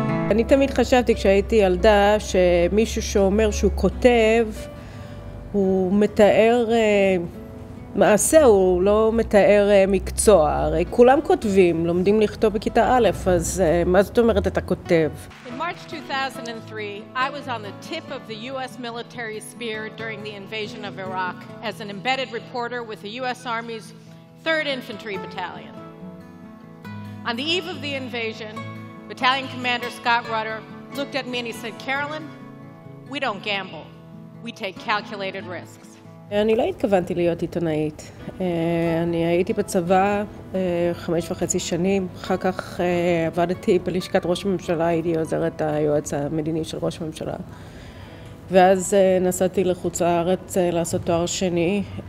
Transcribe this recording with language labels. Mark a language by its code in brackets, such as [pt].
[he] אני תמיד חשבתי כשהייתי ילדה שמישהו שאומר שהוא כותב הוא מתאר מעשה, הוא לא מתאר מקצוע. הרי כולם כותבים, לומדים לכתוב בכיתה א', אז מה זאת אומרת אתה כותב? [en] In March 2003, I was on the tip of the US military spear during the invasion of Iraq as an embedded reporter with the US Army's 3rd Infantry Battalion. On the eve of the invasion, Battalion Commander Scott Rutter looked at me and he said, "Carolyn, we don't gamble. We take calculated risks." [he] אני לא התכוונתי להיות עיתונאית. אני הייתי בצבא 5.5 שנים. אחר כך עבדתי בלשכת ראש הממשלה, הייתי עוזרת היועץ המדיני של ראש הממשלה. ואז נסעתי לחוץ לארץ לעשות תואר שני.